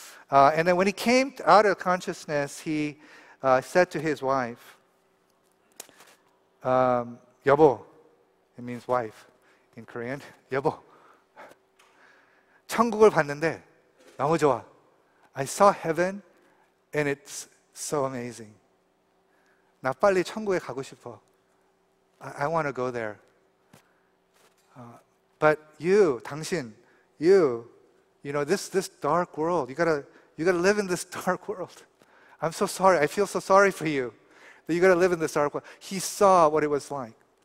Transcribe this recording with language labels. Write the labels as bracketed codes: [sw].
[en] And then when he came out of consciousness, he said to his wife, "여보," it means wife in Korean. [ko] "여보, 천국을 봤는데 너무 좋아. [en] I saw heaven, and it's so amazing. [ko] 나 빨리 천국에 가고 싶어. [en] I want to go there. But you, 당신, you know, this dark world, you gotta live in this dark world. I'm so sorry. I feel so sorry for you that you gotta live in this dark world." He saw what it was like.